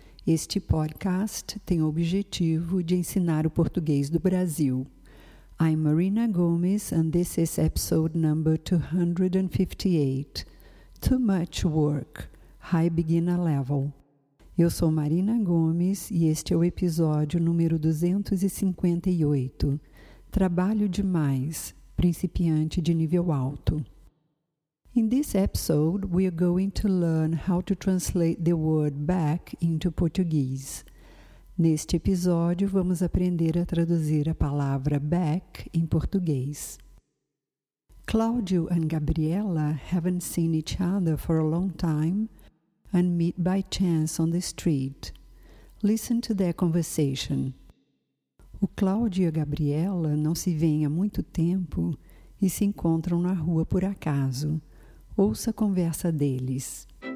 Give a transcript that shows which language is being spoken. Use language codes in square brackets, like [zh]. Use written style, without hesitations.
[pt] Este podcast tem o objetivo de ensinar o português do Brasil. [en] I'm Marina Gomes, and this is episode number 258. Too much work, high beginner level. [pt] Eu sou Marina Gomes e este é o episódio número 258. Trabalho demais, principiante de nível alto. [en] In this episode, we are going to learn how to translate the word back into Portuguese. [pt] Neste episódio, vamos aprender a traduzir a palavra back em português. [en] Cláudio and Gabriela haven't seen each other for a long time and meet by chance on the street. Listen to their conversation. [pt] O Cláudio e a Gabriela não se veem há muito tempo e se encontram na rua por acaso. Ouça a conversa deles.